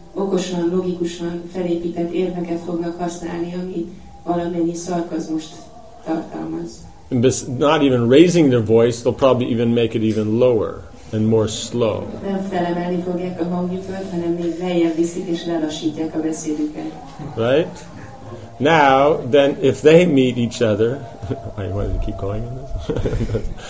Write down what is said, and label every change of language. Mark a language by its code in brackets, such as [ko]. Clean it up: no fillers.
[hu] Okosan, logikusan felépített érveket fognak használni, ami valamennyi szarkazmust tartalmaz. [en] Not even raising their voice, they'll probably even make it even lower and more slow. [hu] Nem felemelni fogják a hangjukat, hanem még lejjebb viszik és lelassítják a beszédüket. [en] Right? Now, then, if they meet each other, I wanted to keep going on this.